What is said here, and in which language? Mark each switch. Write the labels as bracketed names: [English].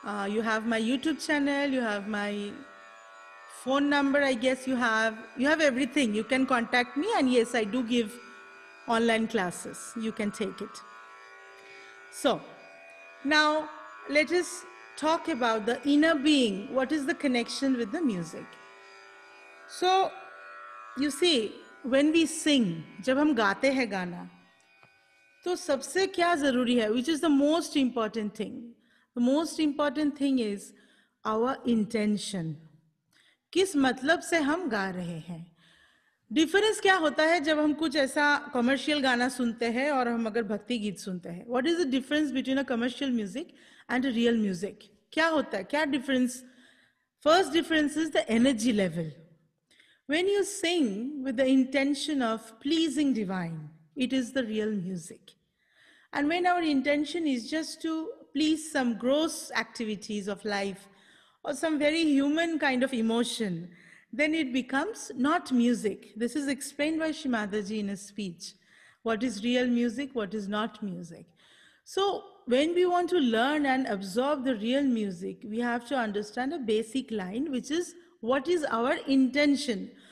[English] You have my YouTube channel, you have my phone number, I guess you have. You have everything. You can contact me, and yes, I do give online classes. You can take it. So, now let us talk about the inner being. What is the connection with the music? So, you see, when we sing, [Hindi] जब हम गाते हैं गाना, तो सबसे क्या जरूरी है? [English] Which is the most important thing? The most important thing is our intention. [Hindi] किस मतलब से हम गा रहे हैं? डिफरेंस क्या होता है जब हम कुछ ऐसा कमर्शियल गाना सुनते हैं और हम अगर भक्ति गीत सुनते हैं? [English] What is the difference between a commercial music and a real music? [Hindi] क्या होता है, क्या difference? [English] First difference is the energy level. When you sing with the intention of pleasing divine, it is the real music. And when our intention is just to please some gross activities of life or some very human kind of emotion, then it becomes not music. This is explained by Shimadaji in his speech. What is real music? What is not music? So when we want to learn and absorb the real music, we have to understand a basic line, which is, what is our intention?